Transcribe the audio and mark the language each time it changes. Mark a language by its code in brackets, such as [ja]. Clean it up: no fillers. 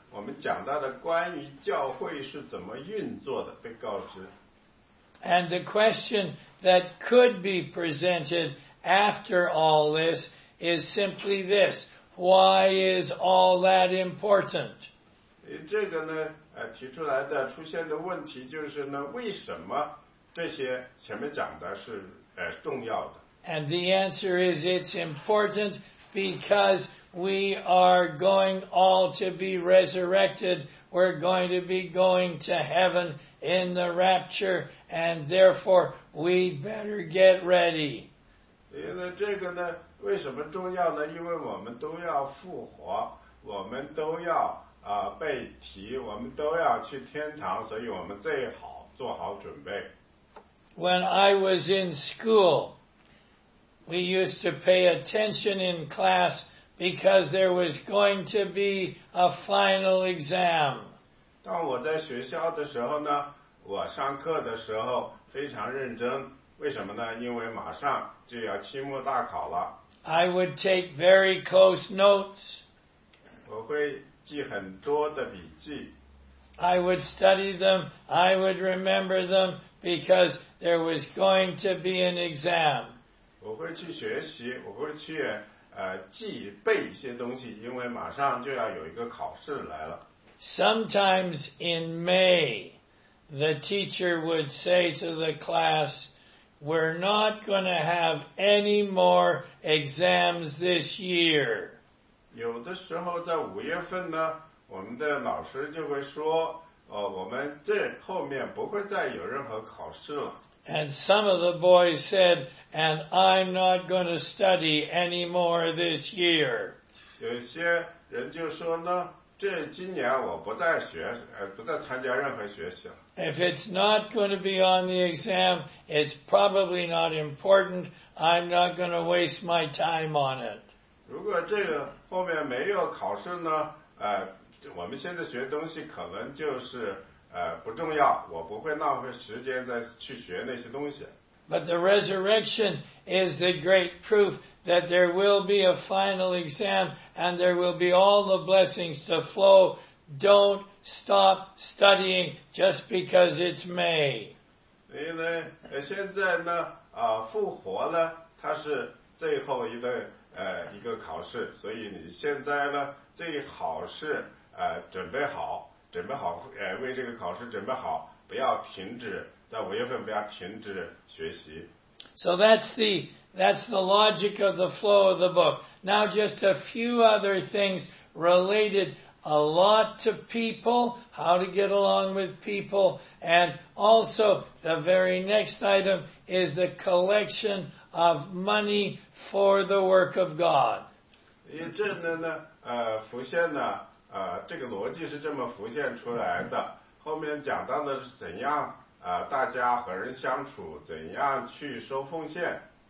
[zh] 我们讲到的关于教会是怎么运作的被告知。 [en] And the question that could be presented after all this is simply this. Why is all that important? [zh] 这个呢，提出来的出现的问题就是呢，为什么这些前面讲的是重要的？ [en] And the answer is it's important because we are going all to be resurrected. We're going to be going to heaven in the rapture, and therefore we'd better get ready. [zh] 因为这个呢，为什么重要呢？因为我们都要复活，我们都要被提，我们都要去天堂，所以我们最好做好准备。 [en] When I was in school, we used to pay attention in class because there was going to be a final exam. [zh] 当我在学校的时候呢，我上课的时候非常认真，为什么呢？因为马上就要期末大考了。 [en] I would take very close notes. [zh] 我会记很多的笔记。 [en] I would study them, I would remember them, because there was going to be an exam. [zh] 我会去学习，我会去记背一些东西，因为马上就要有一个考试来了。 [en] Sometimes in May, the teacher would say to the class, we're not going to have any more exams this year. [zh] 有的时候在五月份呢，我们的老师就会说，我们这后面不会再有任何考试了。 [en] And some of the boys said, and I'm not going to study anymore this year. [zh] 有些人就说呢，这今年我不再学，不再参加任何学习了。 [en] If it's not going to be on the exam, it's probably not important. I'm not going to waste my time on it. [zh] 如果这个后面没有考试呢，我们现在学东西可能就是不重要，我不会浪费时间再去学那些东西。 [en] But the resurrection is the great proof that there will be a final exam and there will be all the blessings to flow. Don't stop studying just because it's May. [zh] 因为现在呢，复活呢，它是最后一个考试，所以你现在呢，最好是准备好，准备好，为这个考试准备好，不要停止，在五月份不要停止学习。 [en] So that's the logic of the flow of the book. Now just a few other things related a lot to people, how to get along with people, and also the very next item is the collection of money for the work of God. [zh] 因为这呢，浮现呢，这个逻辑是这么浮现出来的。后面讲到的是怎样大家和人相处，怎样去收奉献。